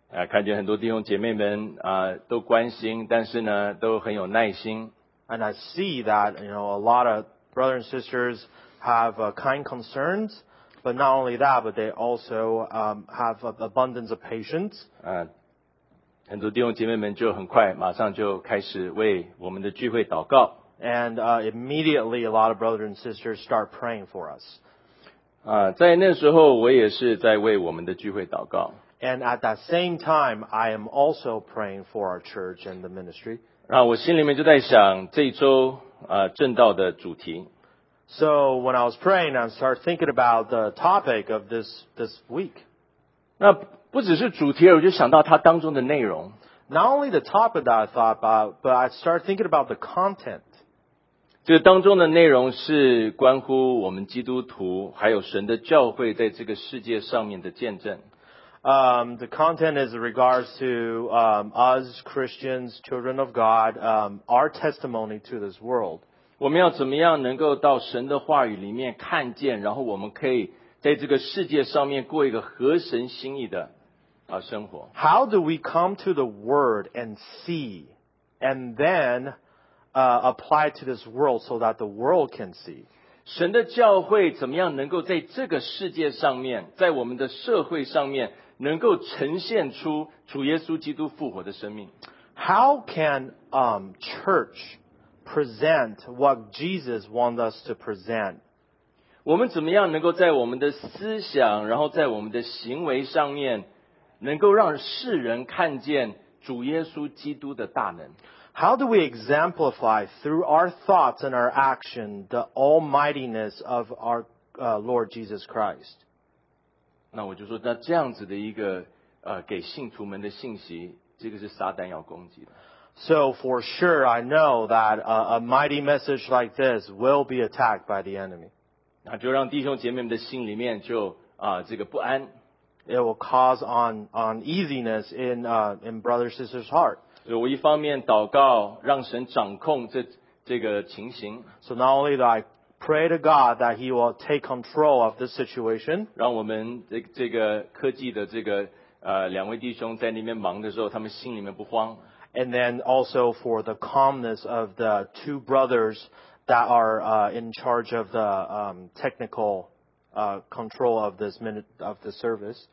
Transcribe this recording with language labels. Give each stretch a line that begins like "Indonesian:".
Chinese: 看见很多弟兄姐妹们都关心，但是呢都很有耐心。
English: And I see that, you know, a lot of brothers and sisters have kind concerns, but not only that, but they also have an abundance of patience.
Chinese: 很多弟兄姐妹们就很快马上就开始为我们的聚会祷告。
English: And immediately a lot of brothers and sisters start praying for us.
Chinese: 在那时候我也是在为我们的聚会祷告。
English: And at that same time, I am also praying for our church and the ministry.
Chinese: 然后我心里面就在想这一周正道的主题。
English: So when I was praying, I started thinking about the topic of this week.
Chinese: 那不只是主题，我就想到它当中的内容。
English: Not only the topic that I thought about, but I started thinking about the content.
Chinese: 这个当中的内容是关乎我们基督徒还有神的教会在这个世界上面的见证。
English: The content is in regards to us Christians, children of God, our testimony to this world.
Chinese: 我们要怎么样能够到神的话语里面看见，然后我们可以在这个世界上面过一个合神心意的生活。
English: How do we come to the word and see, and then apply to this world so that the world can see?
Chinese: 神的教会怎么样能够在这个世界上面，在我们的社会上面能够呈现出主耶稣基督复活的生命。
English: How can church present what Jesus wants us to present?
Chinese: 我们怎么样能够在我们的思想，然后在我们的行为上面，能够让世人看见主耶稣基督的大能？
English: How do we exemplify through our thoughts and our action the almightiness of our Lord Jesus Christ?
Chinese: 那我就说，那这样子的一个给信徒们的信息，这个是撒旦要攻击的。
English: So for sure, I know that a mighty message like this will be attacked by the enemy.
Chinese: 那就让弟兄姐妹们的心里面就这个不安。
English: It will cause uneasiness in brother sister's heart.
Chinese: 所以我一方面祷告让神掌控这个情形。
English: So not only do I pray to God that he will take control of this situation.
Chinese: 让我们这个科技的这个两位弟兄在那边忙的时候他们心里面不慌。
English: And then also for the calmness of the two brothers that are in charge of the technical control of this minute of the service.